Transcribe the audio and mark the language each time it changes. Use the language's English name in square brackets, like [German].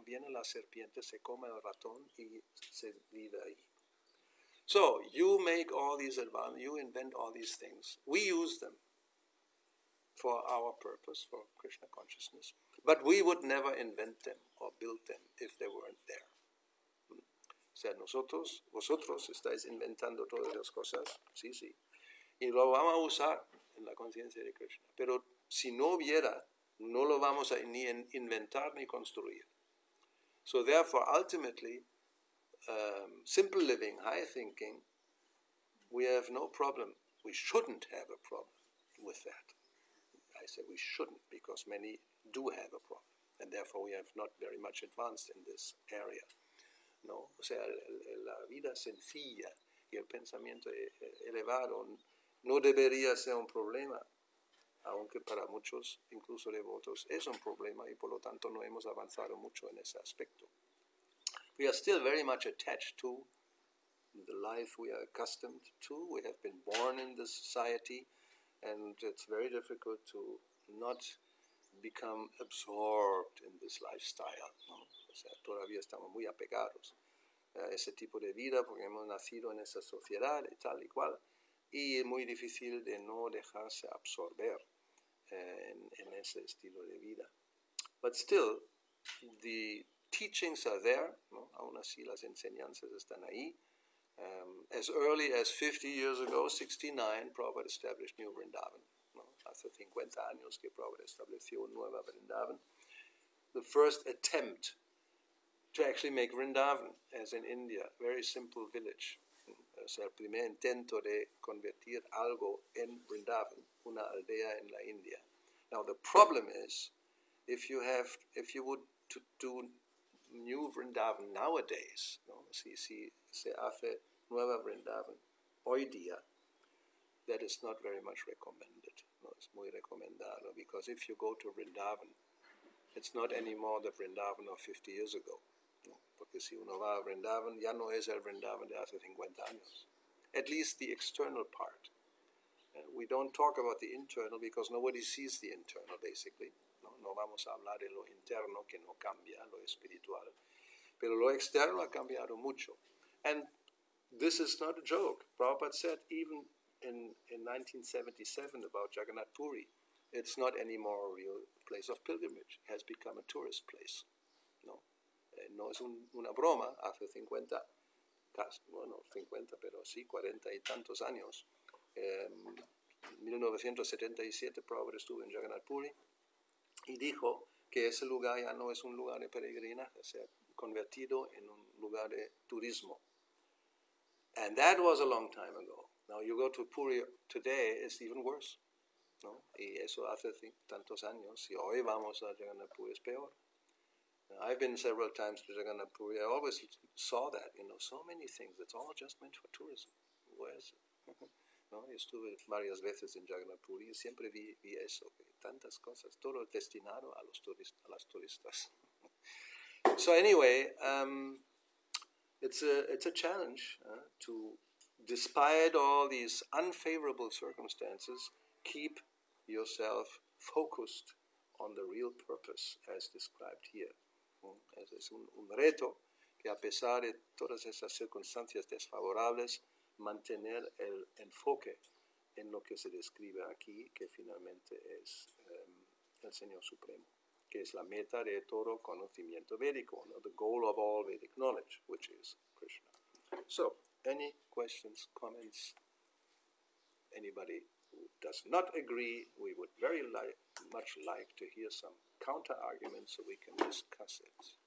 [Spanish] Viene la serpiente, se come el ratón y se vive ahí. [English] So you make all these advances, you invent all these things. We use them for our purpose, for Krishna consciousness. But we would never invent them or build them if they weren't there. [Spanish] O sea, vosotros estáis inventando todas las cosas, sí, sí, y lo vamos a usar en la conciencia de Krishna. Pero si no hubiera, no lo vamos a ni inventar ni construir. [English] So therefore, ultimately, simple living, high thinking, we have no problem. We shouldn't have a problem with that. I say we shouldn't, because many do have a problem. And therefore we have not very much advanced in this area. [Spanish] No, o sea, la vida sencilla y el pensamiento elevado no debería ser un problema, aunque para muchos, incluso devotos, es un problema y por lo tanto no hemos avanzado mucho en ese aspecto. [English] We are still very much attached to the life we are accustomed to. We have been born in this society and it's very difficult to not become absorbed in this lifestyle, no? [Spanish] O sea, todavía estamos muy apegados a ese tipo de vida porque hemos nacido en esa sociedad y tal y cual. Y es muy difícil de no dejarse absorber en ese estilo de vida. [English] But still, the teachings are there. [Spanish] ¿No? Aún así, las enseñanzas están ahí. [English] As early as 50 years ago, 69, Prabhupada established New Vrindavan. [Spanish] ¿No? Hace 50 años que Prabhupada estableció Nueva Vrindavan. [English] The first attempt to actually make Vrindavan, as in India, very simple village. [Spanish] O sea, el primer intento de convertir algo en Vrindavan, una aldea en la India. [English] Now the problem is, if you would do new Vrindavan nowadays, no? [Spanish] Si se hace nueva Vrindavan hoy día, [English] that is not very much recommended. [Spanish] No, es muy recomendado, [English] because if you go to Vrindavan, it's not anymore the Vrindavan of 50 years ago. [Spanish] No, porque si uno va a Vrindavan, ya no es el Vrindavan de hace 50 años. [English] At least the external part. We don't talk about the internal because nobody sees the internal, basically. [Spanish] No, no vamos a hablar de lo interno, que no cambia, lo espiritual. Pero lo externo ha cambiado mucho. [English] And this is not a joke. Prabhupada said even in 1977 about Jagannath Puri, it's not anymore a real place of pilgrimage. It has become a tourist place. [Spanish] No, no es una broma. Hace 50, casi, bueno, 50, pero sí, 40 y tantos años. 1977, Prabhupada estuvo en Jagannath Puri y dijo que ese lugar ya no es un lugar de peregrinaje, se ha convertido en un lugar de turismo. [English] And that was a long time ago. Now you go to Puri today, it's even worse. No? [Spanish] Y eso hace tantos años. Y hoy vamos a Jagannath Puri, es peor. [English] Now, I've been several times to Jagannath Puri. I always saw that, you know, so many things. It's all just meant for tourism. Where is it? No? [Spanish] Estuve varias veces en Jagannath Puri y siempre vi eso. Tantas cosas. Todo destinado a los turistas. A las turistas. [English] So anyway, it's a challenge to, despite all these unfavorable circumstances, keep yourself focused on the real purpose as described here. [Spanish] Es un reto que a pesar de todas esas circunstancias desfavorables, mantener el enfoque en lo que se describe aquí, que finalmente es el Señor Supremo, que es la meta de todo conocimiento védico, no? [English] The goal of all Vedic knowledge, which is Krishna. So, any questions, comments? Anybody who does not agree, we would very much like to hear some counter-arguments so we can discuss it.